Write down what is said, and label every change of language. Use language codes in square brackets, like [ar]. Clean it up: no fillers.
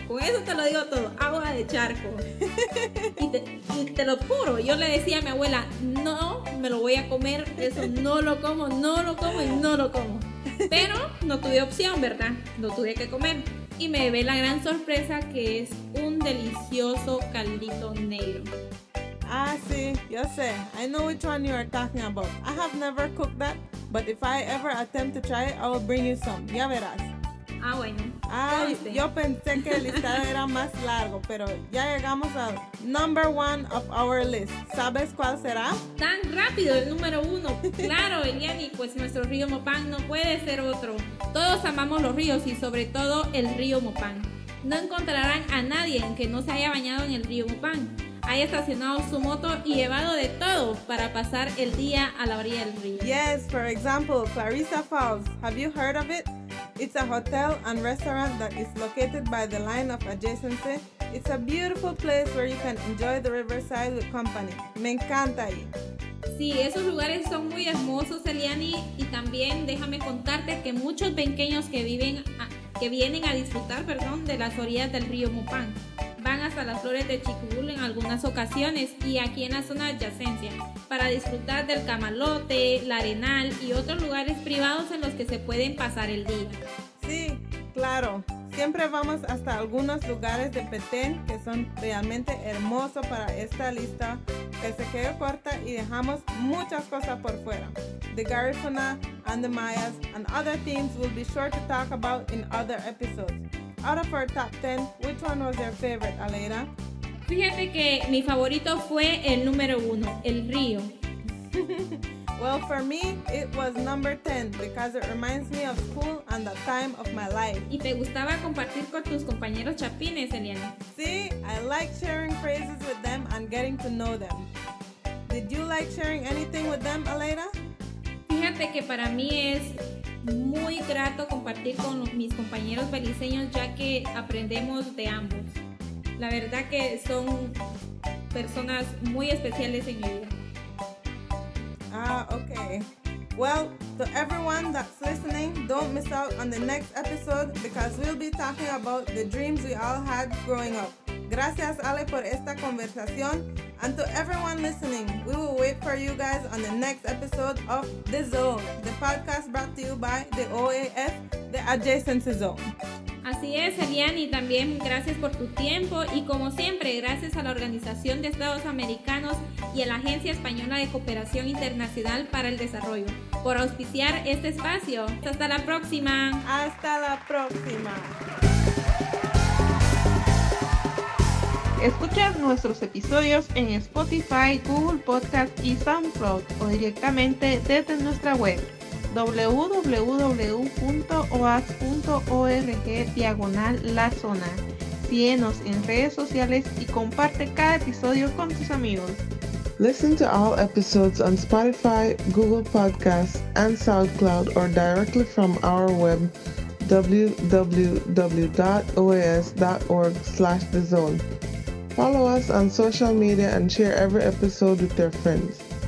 [es] Con eso te lo digo todo, agua de charco. Y te lo juro, yo le decía a mi abuela, no me lo voy a comer, eso no lo como, no lo como y no lo como. Pero no tuve opción, ¿verdad? No tuve que comer. Y me llevé la gran sorpresa que es un delicioso caldito negro. Ah, sí, yo sé. [en] I know which one you are talking about. I have never cooked that, but if I ever attempt to try it, I will bring you some. [es] Ya verás. Ah, bueno. Ah, yo pensé que el listado era más largo, pero ya llegamos al [en] number one of our list. [es] ¿Sabes cuál será? Tan rápido, el número uno. Claro, Eliani, pues nuestro río Mopán no puede ser otro. Todos amamos los ríos y sobre todo el río Mopán. No encontrarán a nadie en que no se haya bañado en el río Mopán. Haya estacionado su moto y llevado de todo para pasar el día a la orilla del río. [en] Yes, for example, Clarissa Falls. Have you heard of it? It's a hotel and restaurant that is located by the line of adjacency. It's a beautiful place where you can enjoy the riverside with company. [es] Me encanta ahí. Sí, esos lugares son muy hermosos, Eliani. Y también déjame contarte que muchos benqueños que vienen a disfrutar, perdón, de las orillas del río Mopán van hasta las flores de Chicubul en algunas ocasiones y aquí en la zona de Adyacencia para disfrutar del camalote, el arenal y otros lugares privados en los que se pueden pasar el día. Sí, claro. Siempre vamos hasta algunos lugares de Petén que son realmente hermosos para esta lista que se quedó corta y dejamos muchas cosas por fuera. [en] The Garifuna and the Mayas and other things we'll be sure to talk about in other episodes. Out of our top 10, which one was your favorite, Aleira? [es] Fíjate que mi favorito fue el número 1, el río. [en] Well, for me, it was number 10 because it reminds me of school and the time of my life. [es] ¿Y te gustaba compartir con tus compañeros chapines, Eliana? [en] Sí, I like sharing phrases with them and getting to know them. Did you like sharing anything with them, Aleira? [es] Fíjate que para mí es muy grato compartir con mis compañeros beliceños ya que aprendemos de ambos. La verdad que son personas muy especiales en mi vida. Ah, okay. [en] Well, to everyone that's listening, don't miss out on the next episode because we'll be talking about the dreams we all had growing up. [es] Gracias, Ale, por esta conversación. [en] And to everyone listening, we will wait for you guys on the next episode of The Zone, the podcast brought to you by the OAS, the Adjacency Zone. [es] Así es, Eliane, y también gracias por tu tiempo. Y como siempre, gracias a la Organización de Estados Americanos y a la Agencia Española de Cooperación Internacional para el Desarrollo por auspiciar este espacio. ¡Hasta la próxima! ¡Hasta la próxima! Escucha nuestros episodios en Spotify, Google Podcast y SoundCloud o directamente desde nuestra web www.oas.org/lazona. Síguenos en redes sociales y comparte cada episodio con tus amigos. [en] Listen to all episodes on Spotify, Google Podcasts, and SoundCloud or directly from our web www.oas.org/thezone. Follow us on social media and share every episode with your friends.